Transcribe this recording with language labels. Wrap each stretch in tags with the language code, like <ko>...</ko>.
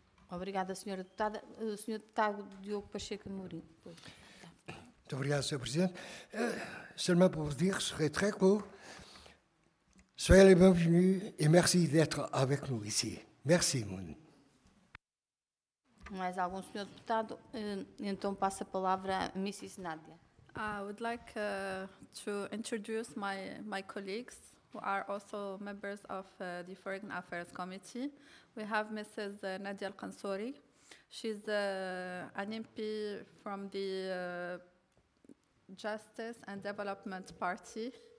<pt>Obrigada, senhora deputada. Senhor deputado Diogo Pacheco de Mourinho. Muito obrigado, senhor presidente.</pt> <fr>Seulement pour vous dire, serait très court. Soyez les bienvenus et merci d'être avec nous ici. Merci, Moon.</fr> <pt>Mais algum senhor deputado, então passa a palavra a Mrs. Nadia.</pt> <en>I would like to introduce my colleagues who are also members of the Foreign Affairs Committee. We have Mrs. Nadia Al-Qansouri. She's an MP from the Justice and Development Party.</en>